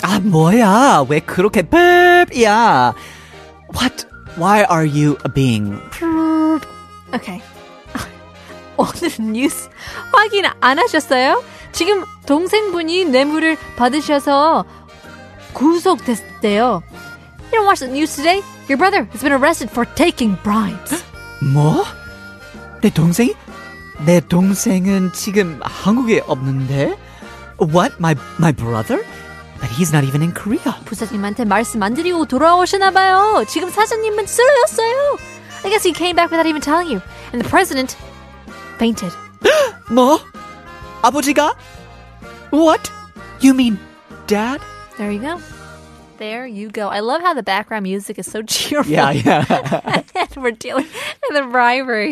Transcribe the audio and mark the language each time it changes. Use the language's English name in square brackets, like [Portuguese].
[Korean] 아, 뭐야? 왜 그렇게 burp이야? [English] What? Why are you being... burp? Okay. [Korean] 오늘 뉴스 확인 안 하셨어요? 지금 동생분이 뇌물을 받으셔서 구속됐대요. [English] You don't watch the news today? Your brother has been arrested for taking bribes. [Korean] 뭐? 내 동생은 지금 한국에 없는데? [English] What? My brother? But he's not even in Korea. [Korean] 부사님한테 말씀 안 드리고 돌아오셨나 봐요. 지금 사장님은 쓰러졌어요. [English] I guess he came back without even telling you. And the president... fainted. [Korean] 뭐? 아버지가? [English] What? You mean dad? There you go. There you go. I love how the background music is so cheerful. Yeah, yeah. And we're dealing with a bribery.